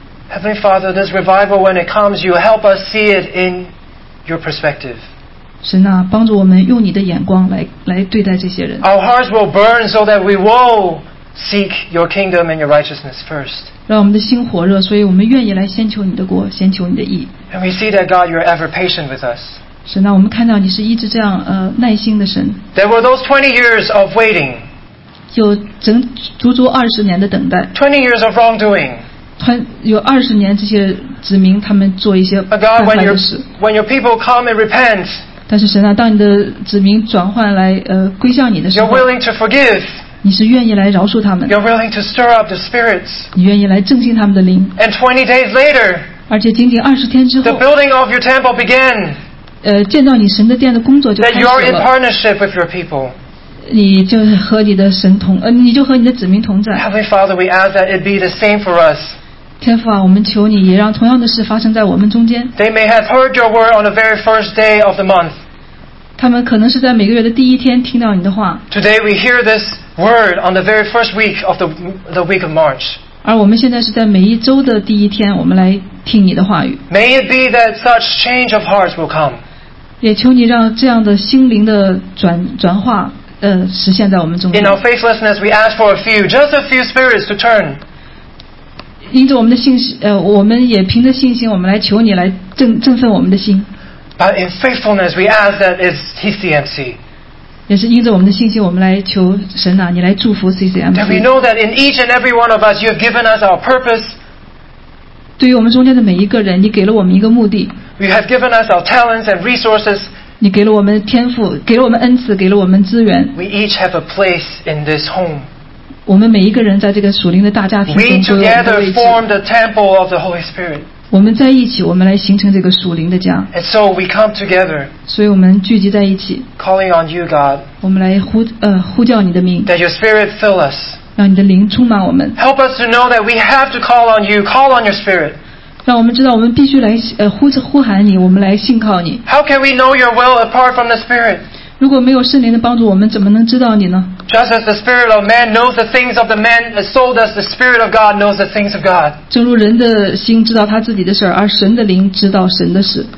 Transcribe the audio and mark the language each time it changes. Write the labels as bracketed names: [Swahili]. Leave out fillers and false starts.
[English] Heavenly Father, this revival, when it comes, you help us see it in your perspective. [Chinese] 神啊，帮助我们用你的眼光来对待这些人。 [English] Our hearts will burn so that we will seek your kingdom and your righteousness first. [Chinese] 让我们的心火热，所以我们愿意来先求你的国，先求你的义。 [English] And we see that God, you are ever patient with us. [Chinese] 神啊，我们看到你是一直这样耐心的神。 [English] There were those 20 years of waiting. [Chinese] 有整足足20年的等待。 [English] 20 years of wrongdoing. [Chinese] 有二十年，这些子民他们做一些坏坏的事。 [English] When your people come and repent, [Chinese] 但是神啊，当你的子民转换来归向你的时候 [English] ，You're willing to forgive. [Chinese] 你是愿意来饶恕他们。 [English] You're willing to stir up the spirits. [Chinese] 你愿意来振兴他们的灵。 [English] And 20 days later, [Chinese] 而且仅仅20天之后 [English] ，The building of your temple began. [Chinese] 建造你神的殿的工作就开始了。 [English] That you are in partnership with your people. [Chinese] 你就是和你的神同，你就和你的子民同在。 [English] Heavenly Father, we ask that it be the same for us. [Chinese] 天父啊，我们求你也让同样的事发生在我们中间。 [English] They may have heard your word on the very first day of the month. [Chinese] 他们可能是在每个月的第一天听到你的话。 [English] Today we hear this word on the very first week of the week of March. [Chinese] 而我们现在是在每一周的第一天，我们来听你的话语。 [English] May it be that such change of hearts will come. [Chinese] 也求你让这样的心灵的转化。实现在我们中间。 [English] In our faithlessness, we ask for a few, just a few spirits to turn. [Chinese] 因着我们的信心，我们也凭着信心，我们来求你来振奋我们的心。 [English] But in faithfulness, we ask that it's TCMC. [Chinese] 也是因着我们的信心，我们来求神啊，你来祝福 CCMC. [English] That we know that in each and every one of us, you have given us our purpose. [Chinese] 对于我们中间的每一个人，你给了我们一个目的。 [English] You have given us our talents and resources. [Chinese] 你给了我们天赋，给了我们恩赐，给了我们资源。 [English] We each have a place in this home. [Chinese] 我们每一个人在这个属灵的大家庭中都有一个位置。 [English] We together form the temple of the Holy Spirit. [Chinese] 我们在一起，我们来形成这个属灵的家。 [English] And so we come together. [Chinese] 所以我们聚集在一起。 [English] Calling on you, God. [Chinese] 我们来呼叫你的名。 [English] That your Spirit fill us. [Chinese] 让你的灵充满我们。 [English] Help us to know that we have to call on you. Call on your Spirit. [Chinese] 让我们知道，我们必须来呼喊你，我们来信靠你。 [English] How can we know your will apart from the Spirit? [Chinese] 如果没有圣灵的帮助，我们怎么能知道你呢 [English] ？Just as the spirit of man knows the things of the man, so does the spirit of God knows the things of God. [Chinese] 正如人的心知道他自己的事，而神的灵知道神的事。